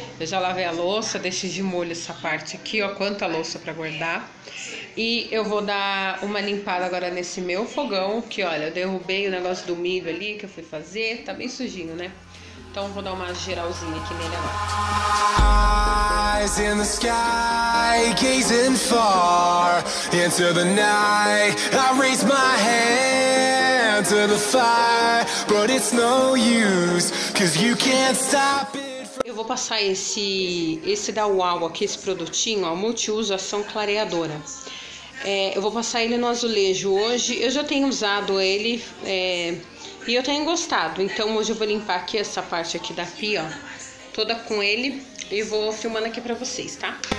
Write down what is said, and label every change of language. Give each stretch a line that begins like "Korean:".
Portuguese: Eu já lavei a louça, deixei de molho essa parte aqui, ó, quanta louça pra guardar. E eu vou dar uma limpada agora nesse meu fogão, que olha, eu derrubei o negócio do milho ali que eu fui fazer, tá bem sujinho, né? Então vou dar uma geralzinha aqui nele agora.
English: Eyes in the sky, gazing far into the night. I raise my hand to the fire, but it's no use. You can't stop it from...
Portuguese: Eu vou passar esse da UAU aqui, esse produtinho, ó, multiuso ação clareadora. Eu vou passar ele no azulejo hoje. Eu já tenho usado ele e eu tenho gostado. Então hoje eu vou limpar aqui essa parte aqui da pia, ó, toda com ele, e vou filmando aqui pra vocês, tá?